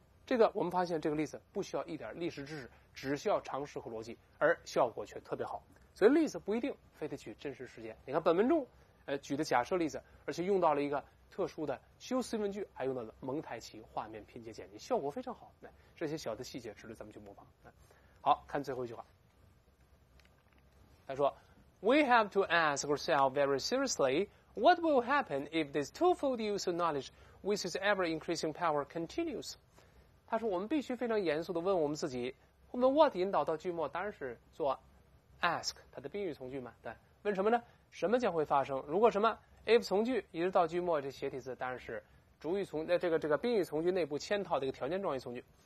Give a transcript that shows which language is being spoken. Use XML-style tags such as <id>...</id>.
<zh>这个我们发现这个例子不需要一点历史知识，只需要常识和逻辑，而效果却特别好。所以例子不一定非得举真实事件。你看本文中举的假设例子，而且用到了一个特殊的修辞文句，还用到了蒙太奇画面拼接剪辑，效果非常好。这些小的细节值得咱们去模仿。好，看最后一句话，他说</zh> <en>We have to ask ourselves very seriously what will happen if this twofold use of knowledge with its ever increasing power continues。</en> <zh>他说我们必须非常严肃地问我们自己，我们 what 引导到句末当然是做 ask， 它的宾语从句嘛，对，问什么呢，什么将会发生，如果什么if 从句一直到句末，这协体字当然是主语从这个宾语从句内部嵌套的一个条件状语从句。</zh>